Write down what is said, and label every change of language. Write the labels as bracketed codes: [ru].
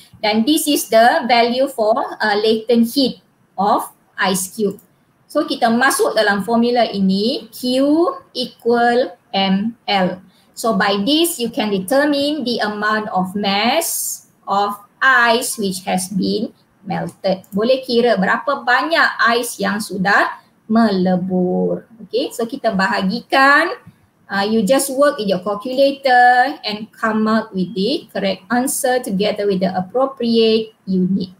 [en] Dan this is the value for latent heat of ice cube. [ms] So kita masuk dalam formula ini, Q equal ML. [en] So by this you can determine the amount of mass of ice which has been melted. [ms] Boleh kira berapa banyak ice yang sudah melebur. Okay, so kita bahagikan. [en] You just work in your calculator and come up with the correct answer together with the appropriate unit.